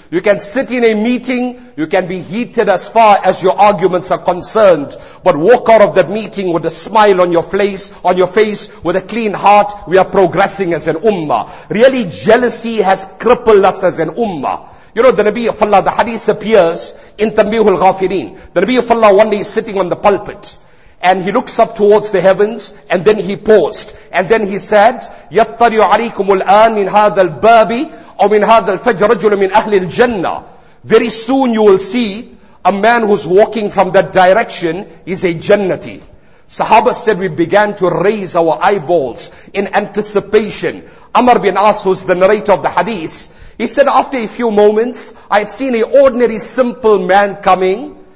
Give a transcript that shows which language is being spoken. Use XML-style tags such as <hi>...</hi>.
<en>You can sit in a meeting, you can be heated as far as your arguments are concerned, but walk out of the meeting with a smile on your face, with a clean heart. We are progressing as an ummah. Really, jealousy has crippled us as an ummah. You know, the Nabi of Allah, the hadith appears in Tanbihul Ghafirin. The Nabi of Allah one day is sitting on the pulpit, and he looks up towards the heavens, and then he paused. And then he said,</en> <ar>يَطَّرِيُ عَلَيْكُمُ الْآنِ مِنْ هَذَا الْبَابِ أَوْ مِنْ هَذَا الْفَجْرَ رَجُلٌ مِنْ أَهْلِ الْجَنَّةِ.</ar> <en>Very soon you will see a man who's walking from that direction is a Jannati. Sahaba said, we began to raise our eyeballs in anticipation. Amr bin As, who's the narrator of the hadith, he said, after a few moments, I had seen an ordinary simple man coming.</en>